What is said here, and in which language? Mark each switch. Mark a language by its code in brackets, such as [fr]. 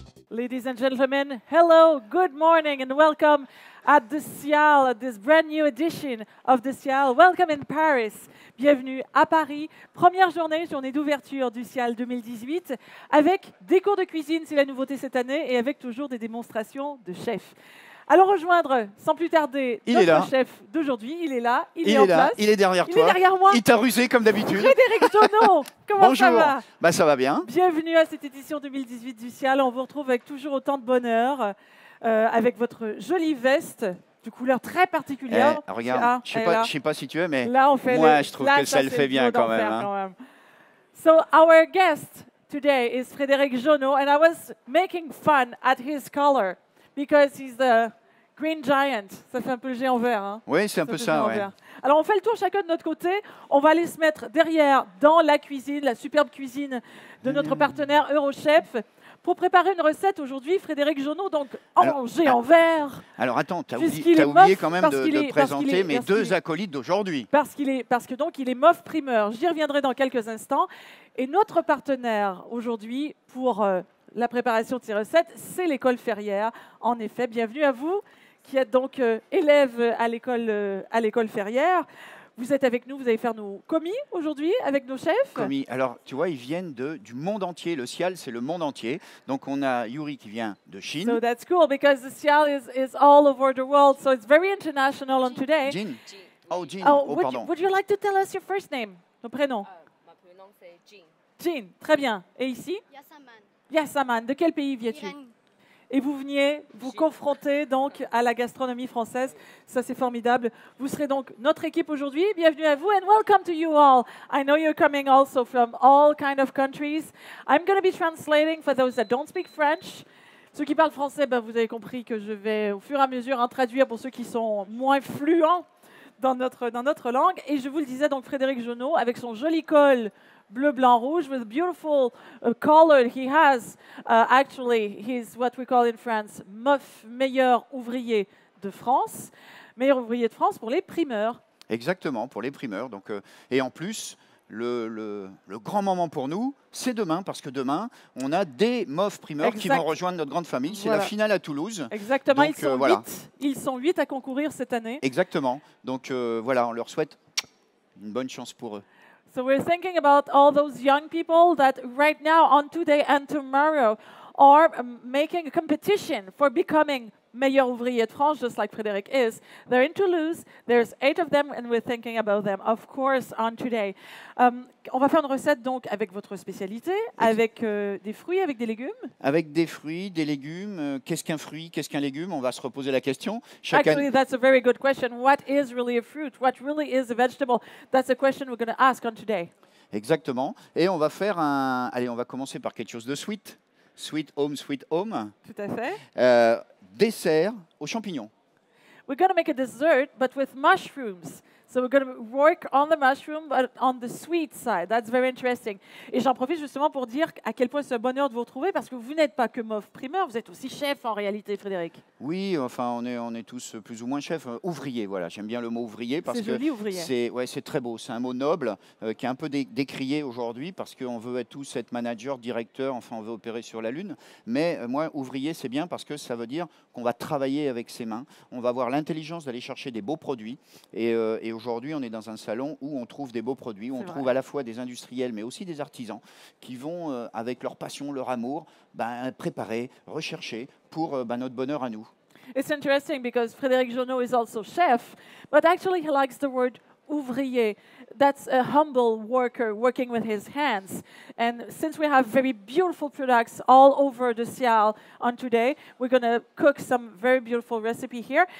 [en] Ladies and gentlemen, hello, good morning, and welcome at the Sial, at this brand new edition of the Sial. Welcome in Paris. [fr] Bienvenue à Paris. Première journée, journée d'ouverture du Sial 2018, avec des cours de cuisine, c'est la nouveauté cette année, et avec toujours des démonstrations de chefs. Allons rejoindre, sans plus tarder, notre chef d'aujourd'hui. Il est là, il est en place. Il est derrière toi. Il est derrière moi. Il t'a rusé comme d'habitude. Frédéric Tonneau, comment Bonjour. Ça va? Bah, ça va bien. Bienvenue à cette édition 2018 du Sial. On vous retrouve avec toujours autant de bonheur, avec votre jolie veste de couleur très particulière. Regarde, je ne sais pas si tu veux, mais là, on fait moi, les... je trouve là, que ça le fait bien quand même, hein. [en] So, our guest today is Frédéric Tonneau, and I was making fun at his color. Because he's the green giant. [fr] Ça fait un peu le géant vert. Hein? Oui, c'est un peu ça. Ouais. Alors, on fait le tour chacun de notre côté. On va aller se mettre derrière dans la cuisine, la superbe cuisine de notre partenaire Eurochef, pour préparer une recette aujourd'hui, Frédéric Tonneau, donc en géant vert. Alors, attends, t'as oublié quand même de présenter mes deux acolytes d'aujourd'hui. Parce qu'il est mof primeur. J'y reviendrai dans quelques instants. Et notre partenaire aujourd'hui pour... la préparation de ces recettes, c'est l'école Ferrière. En effet, bienvenue à vous qui êtes donc élève à l'école Ferrière. Vous êtes avec nous, vous allez faire nos commis aujourd'hui avec nos chefs. Commis. Alors, tu vois, ils viennent du monde entier. Le Sial, c'est le monde entier. Donc, on a Yuri qui vient de Chine. [en] So that's cool because the Sial is all over the world. So it's very international on today. [fr] Jean. Oh, Jean. Oh, pardon. [en] Would you like to tell us your first name, [fr] ton prénom? Mon prénom, c'est Jean. Jean, très bien. Et ici? Yasaman. Yasaman, de quel pays viens-tu? Iran. Et vous veniez vous confronter donc à la gastronomie française. Ça, c'est formidable. Vous serez donc notre équipe aujourd'hui. Bienvenue à vous [en] and welcome to you all. I know you're coming also from all kinds of countries. I'm going to be translating for those that don't speak French. [fr] Ceux qui parlent français, ben, vous avez compris que je vais au fur et à mesure traduire pour ceux qui sont moins fluents dans notre langue. Et je vous le disais, donc Frédéric Tonneau, avec son joli col bleu, blanc, rouge, [en] with a beautiful color he has. Actually, he's what we call in France, MOF, meilleur ouvrier de France. [fr] Meilleur ouvrier de France pour les primeurs. Exactement, pour les primeurs. Donc, et en plus, le grand moment pour nous, c'est demain, parce que demain, on a des MOF primeurs qui vont rejoindre notre grande famille. C'est la finale à Toulouse. Exactement, donc, ils sont huit à concourir cette année. Exactement. Donc voilà, on leur souhaite une bonne chance pour eux. [en] So we're thinking about all those young people that right now, on today and tomorrow, are making a competition for becoming Meilleur Ouvrier de France, just like Frédéric is. They're in Toulouse, there's eight of them, and we're thinking about them, of course, on today. [fr] On va faire une recette donc avec votre spécialité, avec des fruits, avec des légumes. Avec des fruits, des légumes. Qu'est-ce qu'un fruit, qu'est-ce qu'un légume? On va se reposer la question. [en] Actually, that's a very good question. What is really a fruit? What really is a vegetable? That's a question we're going to ask on today. [fr] Exactement. Et on va faire un... Allez, on va commencer par quelque chose de sweet. [en] Sweet home, sweet home. [fr] Tout à fait. Dessert aux champignons. [en] We're going to make a dessert, but with mushrooms. So we're going to work on the mushroom, but on the sweet side. That's very interesting. [fr] Et j'en profite justement pour dire à quel point c'est un bonheur de vous retrouver, parce que vous n'êtes pas que MOF primeur, vous êtes aussi chef en réalité, Frédéric. Oui, enfin, on est tous plus ou moins chef. Ouvrier, voilà. J'aime bien le mot ouvrier. Parce c'est que joli, ouvrier. C'est très beau. C'est un mot noble qui est un peu décrié aujourd'hui, parce qu'on veut tous être manager, directeur, enfin, on veut opérer sur la Lune. Mais moi, ouvrier, c'est bien parce que ça veut dire qu'on va travailler avec ses mains. On va avoir l'intelligence d'aller chercher des beaux produits. Et aujourd'hui, on est dans un salon où on trouve des beaux produits, où c'est on trouve vrai. À la fois des industriels, mais aussi des artisans qui vont, avec leur passion, leur amour, préparer, rechercher pour notre bonheur à nous. [en] It's interesting because Frédéric Tonneau is also chef, but actually he likes the word ouvrier. That's a humble worker working with his hands. And since we have very beautiful products all over the Sial on today, we're going to cook some very beautiful recipe here.